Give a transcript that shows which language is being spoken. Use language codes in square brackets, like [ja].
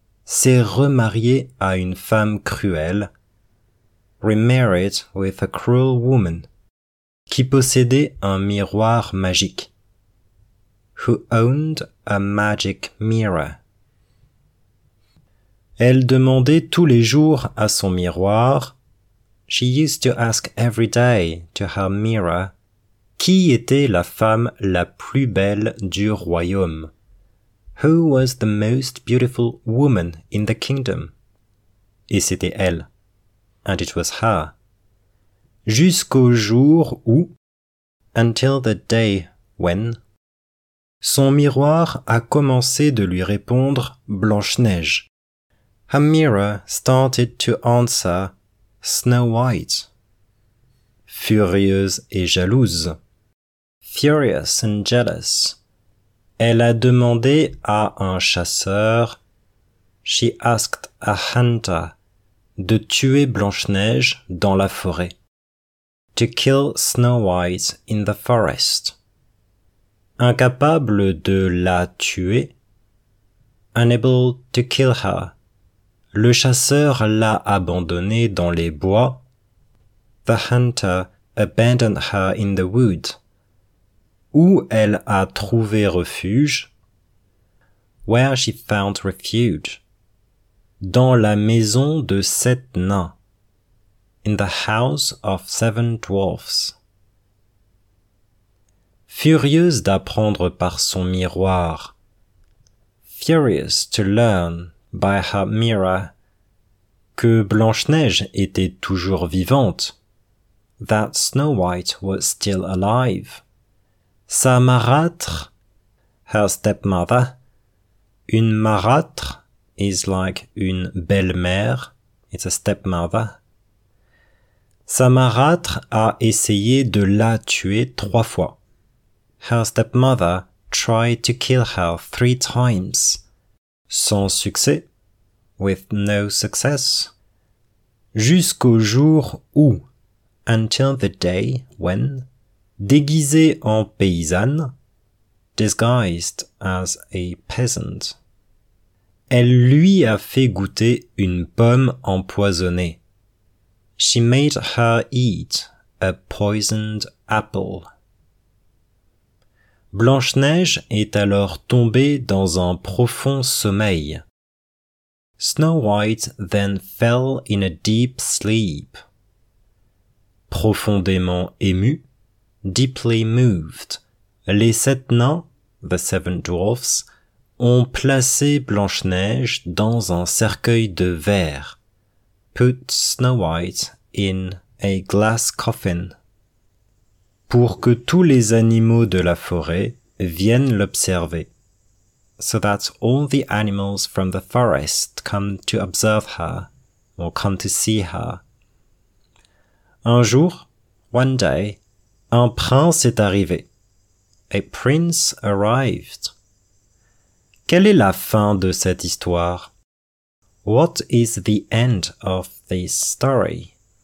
[fr] s'est remarié à une femme cruelle, [en] remarried with a cruel woman, [fr] qui possédait un miroir magique, [en] who owned a magic mirror. [fr] Elle demandait tous les jours à son miroir, [en] she used to ask every day to her mirror, [fr] qui était la femme la plus belle du royaume. [en] Who was the most beautiful woman in the kingdom? [fr] Et c'était elle. [en] And it was her. [fr] Jusqu'au jour où, [en] until the day when, [fr] son miroir a commencé de lui répondre Blanche-Neige. [en] Her mirror started to answer Snow White. [fr] Furieuse et jalouse. [en] Furious and jealous. [fr] Elle a demandé à un chasseur, [en] she asked a hunter, [fr] de tuer Blanche-Neige dans la forêt. [en] To kill Snow White in the forest. [fr] Incapable de la tuer, [en] unable to kill her, [fr] le chasseur l'a abandonnée dans les bois. [en] The hunter abandoned her in the wood. [fr] Où elle a trouvé refuge? [en] Where she found refuge? [fr] Dans la maison de sept nains. [en] In the house of seven dwarfs. [fr] Furieuse d'apprendre par son miroir. [en] Furious to learn by her mirror. [fr] Que Blanche-Neige était toujours vivante. [en] That Snow White was still alive. [fr] Sa marâtre, [en] her stepmother, [fr] une marâtre [en] is like [fr] une belle-mère, [en] it's a stepmother. [fr] Sa marâtre a essayé de la tuer trois fois. [en] Her stepmother tried to kill her three times. [fr] Sans succès, [en] with no success. [fr] Jusqu'au jour où, [en] until the day when, [fr] déguisée en paysanne, [en] disguised as a peasant, [fr] elle lui a fait goûter une pomme empoisonnée. [en] She made her eat a poisoned apple. [fr] Blanche-Neige est alors tombée dans un profond sommeil. [en] Snow White then fell in a deep sleep. [fr] Profondément émue, [en] deeply moved, [fr] les sept nains, [en] the seven dwarfs, [fr] ont placé Blanche-Neige dans un cercueil de verre, [en] put Snow White in a glass coffin, [fr] pour que tous les animaux de la forêt viennent l'observer, [en] so that all the animals from the forest come to observe her, or come to see her. [fr] Un jour, [en] one day, [fr] un prince est arrivé. [en] A prince arrived. [fr] Quelle est la fin de cette histoire? [en] What is the end of this story?